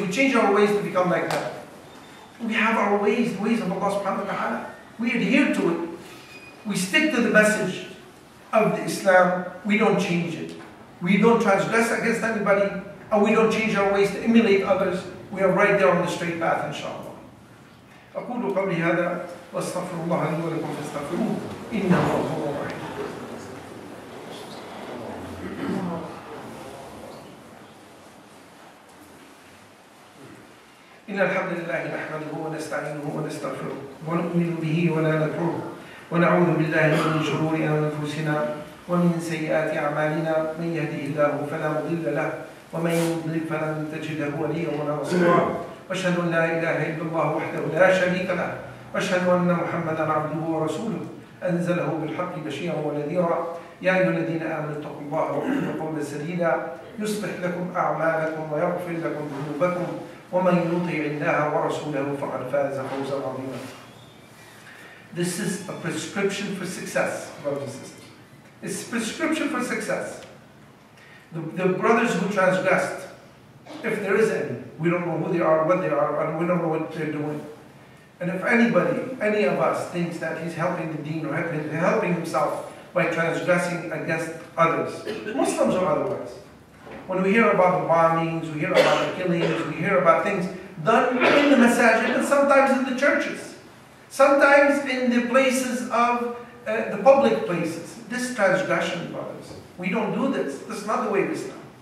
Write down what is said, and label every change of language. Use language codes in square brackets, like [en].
[en] We change our ways to become like that. We have our ways, the ways of Allah subhanahu wa ta'ala. We adhere to it. We stick to the message of the Islam. We don't change it. We don't transgress against anybody. And we don't change our ways to emulate others. We are right there on the straight path, inshallah. [ar] أقول قبلي هذا واستغفر الله لي ولكم فاستغفروه إنه هو الغفور الرحيم. إن الحمد لله نحمده ونستعينه ونستغفره ونؤمن به ولا نكفره ونعوذ بالله من شرور أنفسنا ومن سيئات أعمالنا من يهده الله فلا مضل له ومن يضلل فلن تجده وليا ولا نصيرا أشهد أن لا إله إلا الله وحده لا شريك له وأشهد أن محمدا عبده ورسوله أنزله بالحق بشيرا ونذيرا يا أيها الذين آمنوا اتقوا الله وقولوا قولا سديدا يصلح لكم أعمالكم ويغفر لكم ذنوبكم ومن يطع الله ورسوله فقد فاز فوزا عظيما. [en] This is a prescription for success, brothers and sisters. It's a prescription for success. The brothers who transgressed, if there is any, we don't know who they are, what they are, and we don't know what they're doing. And if anybody, any of us, thinks that he's helping the deen or helping himself by transgressing against others, Muslims or otherwise, when we hear about the bombings, we hear about the killings, we hear about things done in the masajid and sometimes in the churches, sometimes in the places of the public places, this transgression, brothers, we don't do this. This is not the way we stand.